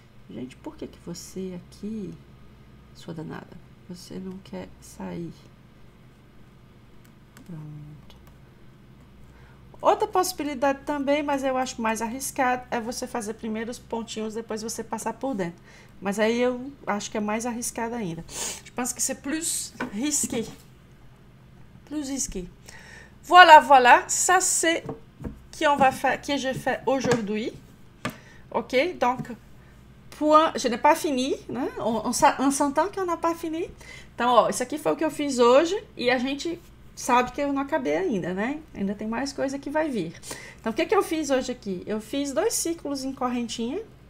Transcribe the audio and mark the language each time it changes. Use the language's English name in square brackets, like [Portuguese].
[Portuguese] Gente, por que que você aqui, sua danada, você não quer sair? Pronto. Outra possibilidade também, mas eu acho mais arriscado, é você fazer primeiro os pontinhos, depois você passar por dentro. Mas aí eu acho que é mais arriscado ainda. [French] Je pense que c'est plus risqué. Plus risqué. Voilà. Ça, c'est qui on va faire, que je fais aujourd'hui. Ok? Donc. Point, je n'ai pas fini, né? On s'entend qu'on n'a pas fini. [Portuguese] Então, ó, isso aqui foi o que eu fiz hoje e a gente sabe que eu não acabei ainda, né? Ainda tem mais coisa que vai vir. Então, o que que eu fiz hoje aqui? Eu fiz dois círculos em correntinha.